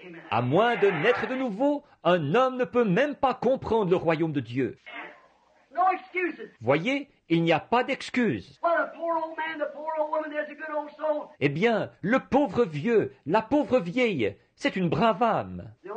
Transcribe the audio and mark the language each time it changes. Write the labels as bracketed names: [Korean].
[French] À moins de naître de nouveau, un homme ne peut même pas comprendre le royaume de Dieu. [English] No excuses. [French] Voyez, il n'y a pas d'excuses. [English] Well, the poor old man, the poor old woman, there's a good old soul. [French] Eh bien, le pauvre vieux, la pauvre vieille, c'est une brave âme.